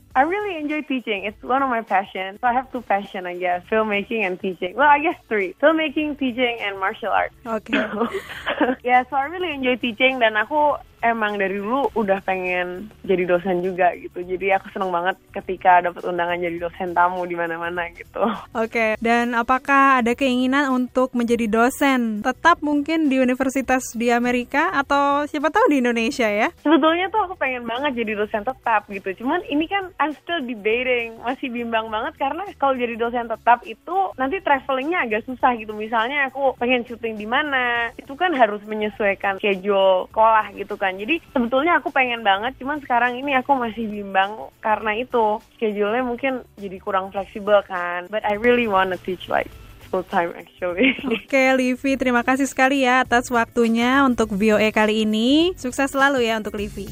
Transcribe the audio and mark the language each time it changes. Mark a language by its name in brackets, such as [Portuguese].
[English] I really enjoy teaching, it's one of my passion. So I have two passion, I guess, filmmaking and teaching. Well, I guess three, filmmaking, teaching, and martial arts. Okay. Yeah, so I really enjoy teaching, [Indonesian] dan aku emang dari dulu udah pengen jadi dosen juga gitu. Jadi aku seneng banget ketika dapat undangan jadi dosen tamu di mana-mana gitu. Oke, okay. Dan apakah ada keinginan untuk menjadi dosen tetap mungkin di universitas di Amerika atau siapa tahu di Indonesia ya? Sebetulnya tuh aku pengen banget jadi dosen tetap gitu. Cuman ini kan [English] I'm still debating, [Indonesian] masih bimbang banget, karena kalau jadi dosen tetap itu nanti travelingnya agak susah gitu. Misalnya aku pengen syuting di mana, itu kan harus menyesuaikan schedule sekolah gitu kan. Jadi sebetulnya aku pengen banget, cuman sekarang ini aku masih bimbang karena itu schedule-nya mungkin jadi kurang fleksibel kan. [English] But I really wanna teach like full time actually. [Indonesian] Oke, okay, Livi, terima kasih sekali ya atas waktunya untuk VOA kali ini. Sukses selalu ya untuk Livi.